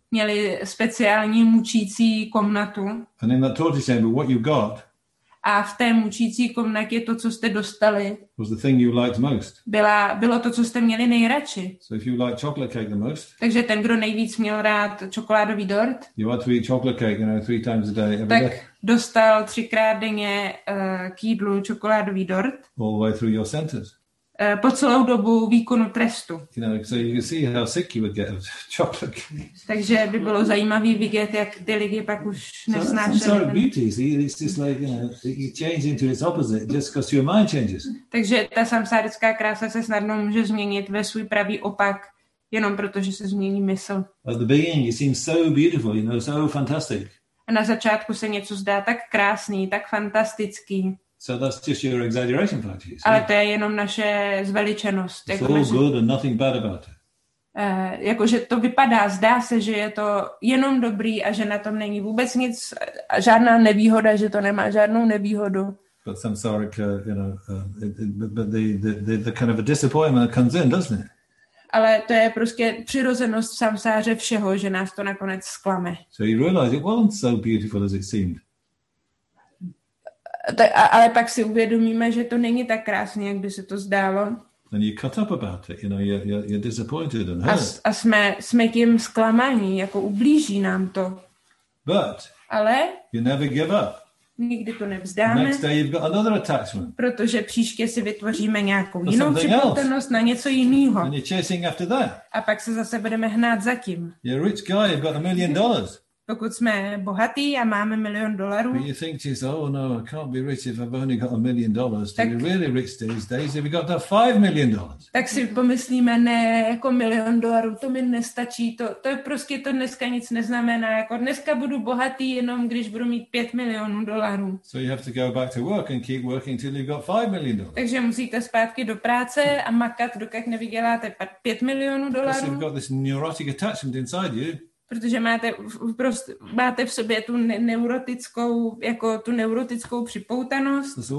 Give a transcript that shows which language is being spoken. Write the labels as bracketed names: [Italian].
[Czech] Měli speciální mučící komnatu. [English] And in that torture chamber, what you got? [Czech] A v té mučící komnatě to, co jste dostali, [English] was the thing you liked most. [Czech] Bylo to, co jste měli nejradši. [English] So if you liked chocolate cake the most, [Czech] takže ten, kdo nejvíc měl rád čokoládový dort, [English] you had to eat chocolate cake, you know, 3 times a day, every [Czech] tak [English] day. [Czech] Dostal 3x denně k jídlu čokoládový dort. [English] All the way through your sentence. [Czech] Po celou dobu výkonu trestu. [English] You know, so you can see how sick you would get of chocolate cake. [Czech] Takže by bylo zajímavý vidět, jak ty lidi pak už nesnášeli. [English] So that's beauty. See, it's just like, you know, you change into its opposite just because your mind changes. [Czech] Takže ta samsárická krása se snadno může změnit ve svůj pravý opak, jenom protože se změní mysl. [English] At the beginning, it seems so beautiful, you know, so fantastic. [Czech] A na začátku se něco zdá tak krásný, tak fantastický. [English] So that's just your exaggeration factor. [Czech] Ale to je jenom naše zveličenost. [English] It's [Czech] jako [English] all [Czech] naše [English] good and nothing bad about it. [Czech] Jakože to vypadá, zdá se, že je to jenom dobrý a že na tom není vůbec nic, žádná nevýhoda, že to nemá žádnou nevýhodu. [English] But samsaric, you know, but the kind of a disappointment that comes in, doesn't it? [Czech] ale to je prostě přirozenost v samsáře všeho, že nás to nakonec zklame. [English] So you realize it wasn't so beautiful as it seemed. [Czech] Ale pak si uvědomíme, že to není tak krásné, jak by se to zdálo. [English] And you cut up about it, you know, you're disappointed and hurt. [Czech] A jsme tím zklamaní, jako ublíží nám to. [English] But [Czech] ale [English] you never give up. [Czech] Nikdy to nevzdáme. [English] Next day you've got another attachment. [Czech] Protože příště si vytvoříme nějakou jinou připoutanost na něco jiného. [English] And you're chasing after that. [Czech] A pak se zase budeme hnát za tím. [English] You're a rich guy, you've got $1 million. [Czech] Pokud jsme bohatí a máme $1 million. [English] But you think to yourself, oh no, I can't be rich if I've only got $1 million. Do we really rich these days if we got to $5 million? [Czech] Tak si pomyslíme, ne, jako $1 million, to mi nestačí, to je prostě to dneska nic neznamená. Jako dneska budu bohatý jenom, když budu mít $5 million. [English] So you have to go back to work and keep working till you've got $5 million. [Czech] Takže musíte zpátky do práce a makat, dokud nevyděláte $5 million. [English] Because you've got this neurotic attachment inside you. [Czech] Protože máte v sobě tu neurotickou, jako tu neurotickou připoutanost.